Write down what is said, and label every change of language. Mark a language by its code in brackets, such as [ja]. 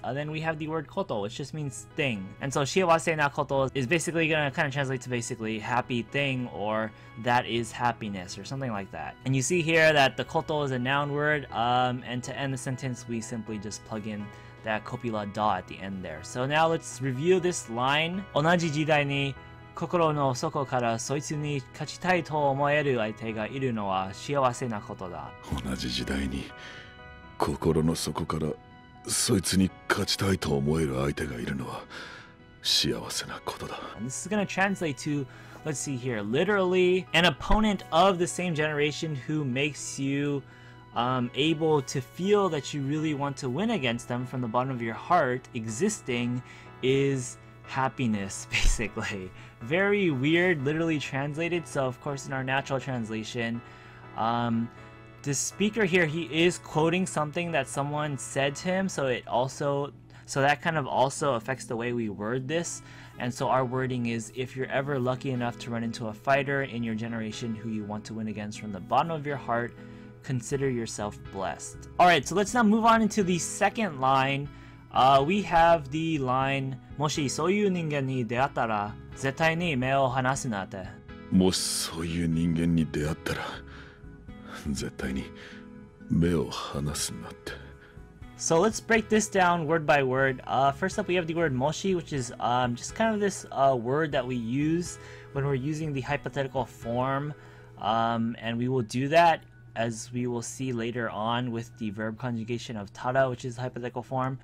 [en] Then we have the word koto, which just means thing. And so shiawase na koto is basically gonna kind of translate to basically happy thing or that is happiness or something like that. And you see here that the koto is a noun word. And to end the sentence, we simply just plug in that kopila da at the end there. So now let's review this line. [ja] 同じ時代に心の底からそいつに勝ちたいと思える相手がいるのは幸せなことだ。同じ時代に心の底からそいつに勝ちたいと思える相手がいるのは幸せなことだ。 [en] And this is going to translate to, let's see here, literally an opponent of the same generation who makes you able to feel that you really want to win against them from the bottom of your heart existing is happiness, basically. Very weird, literally translated. So, of course, in our natural translation, the speaker here, he is quoting something that someone said to him, so it also, so that kind of also affects the way we word this. And so our wording is, if you're ever lucky enough to run into a fighter in your generation who you want to win against from the bottom of your heart, consider yourself blessed. All right, so let's now move on into the second line. We have the line, [ja] もしそういう人間に出会ったら絶対に目を離すなって。もしそういう人間に出会ったら絶対に目を離すなって。 [en] So let's break this down word by word. First up, we have the word moshi, which is just kind of this word that we use when we're using the hypothetical form. And we will do that, as we will see later on, with the verb conjugation of tada, which is hypothetical form.